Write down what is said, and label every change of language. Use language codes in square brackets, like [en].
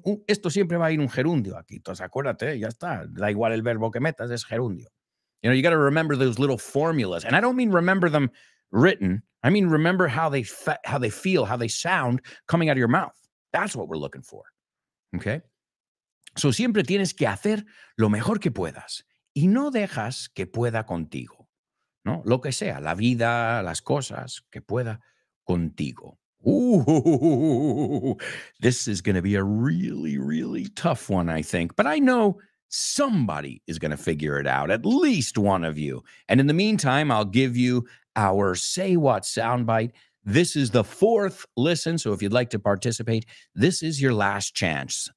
[es] Esto siempre va a ir un gerundio aquí. Entonces, acuérdate, ya está. Da igual el verbo que metas, es gerundio. [en] You know, you got to remember those little formulas. And I don't mean remember them written. I mean, remember how they feel, how they sound coming out of your mouth. That's what we're looking for. Okay? [es] So siempre tienes que hacer lo mejor que puedas. Y no dejas que pueda contigo. ¿No? Lo que sea, la vida, las cosas, que pueda contigo. [en] Ooh, this is going to be a really, really tough one, I think. But I know somebody is going to figure it out, at least one of you. And in the meantime, I'll give you our Say What soundbite. This is the fourth listen, so if you'd like to participate, this is your last chance.